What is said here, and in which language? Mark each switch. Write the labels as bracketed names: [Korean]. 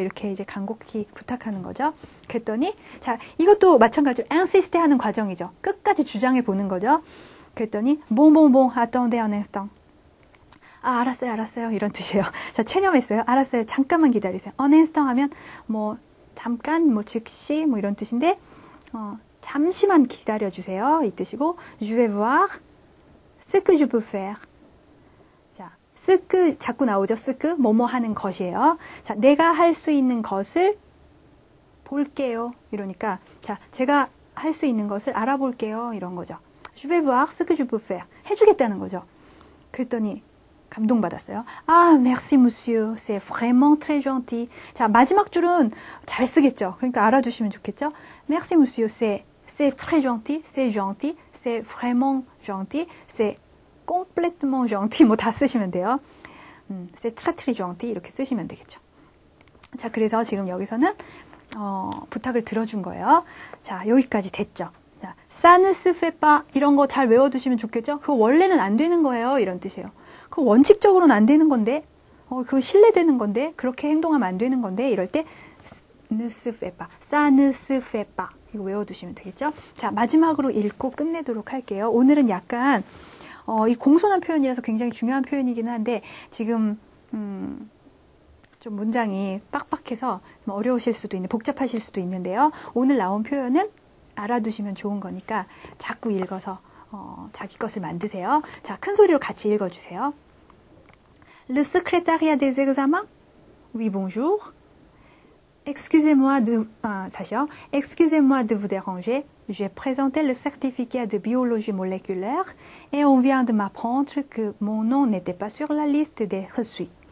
[Korean] 이렇게 이제 간곡히 부탁하는 거죠. 그랬더니, 자, 이것도 마찬가지로 insist 하는 과정이죠. 끝까지 주장해 보는 거죠. 그랬더니, 뭐뭐뭐, [French] attendez un instant. [Korean] 아, 알았어요, 알았어요. 이런 뜻이에요. 자, 체념했어요. 알았어요. 잠깐만 기다리세요. [French] un instant [Korean] 하면, 뭐, 잠깐, 뭐, 즉시, 뭐, 이런 뜻인데, 잠시만 기다려주세요. 이 뜻이고, [French] je vais voir ce que je peux faire. [Korean] 자, [French] ce que, [Korean] 자꾸 나오죠? ce que, 뭐뭐 하는 것이에요. 자, 내가 할수 있는 것을 볼게요. 이러니까, 자, 제가 할수 있는 것을 알아볼게요. 이런 거죠. [French] je vais voir ce que je peux faire. [Korean] 해주겠다는 거죠. 그랬더니, 감동받았어요. [French] 아, merci monsieur. C'est vraiment très gentil. [Korean] 자, 마지막 줄은 잘 쓰겠죠. 그러니까 알아주시면 좋겠죠. [French] Merci monsieur. C'est très gentil. C'est gentil. C'est vraiment gentil. C'est complètement gentil. [Korean] 뭐다 쓰시면 돼요. [French] C'est très très gentil. [Korean] 이렇게 쓰시면 되겠죠. 자, 그래서 지금 여기서는 부탁을 들어준 거예요. 자, 여기까지 됐죠. [French] 자, ça ne se fait pas. [Korean] 이런 거잘 외워두시면 좋겠죠. 그거 원래는 안 되는 거예요. 이런 뜻이에요. 그 원칙적으로는 안 되는 건데, 그거 신뢰되는 건데, 그렇게 행동하면 안 되는 건데, 이럴 때, 느스페빠, 싸느스페빠. 이거 외워두시면 되겠죠? 자, 마지막으로 읽고 끝내도록 할게요. 오늘은 약간, 이 공손한 표현이라서 굉장히 중요한 표현이긴 한데, 지금, 좀 문장이 빡빡해서 어려우실 수도 있는, 복잡하실 수도 있는데요. 오늘 나온 표현은 알아두시면 좋은 거니까, 자꾸 읽어서, 자기 것을 만드세요. 자, 큰 소리로 같이 읽어주세요. [French] Le secrétariat des examens? Oui, bonjour. Excusez-moi de, d'ailleurs, excusez-moi de vous déranger. J'ai présenté le certificat de biologie moléculaire et on vient de m'apprendre que mon nom n'était pas sur la liste des reçus.